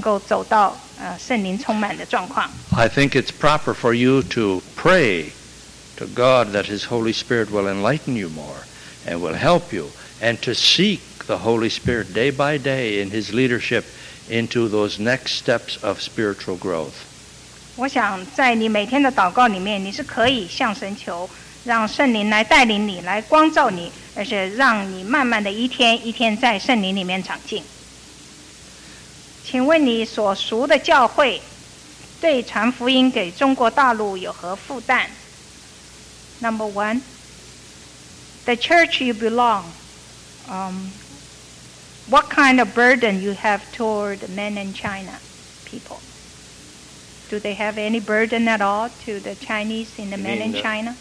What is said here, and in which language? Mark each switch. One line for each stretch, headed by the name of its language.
English: I think it's proper for you to pray to God that His Holy Spirit will enlighten you more and will help you, and to seek the Holy Spirit day by day in His leadership into those next steps of spiritual growth.
Chinese: 我想在你每天的祷告里面，你是可以向神求，让圣灵来带领你，来光照你，而且让你慢慢的一天一天在圣灵里面长进。请问你所属的教会对传福音给中国大陆有何负担？
English: Number one, the church you belong, what kind of burden you have toward the mainland China people? Do they have any burden at all to the Chinese in the mainland China?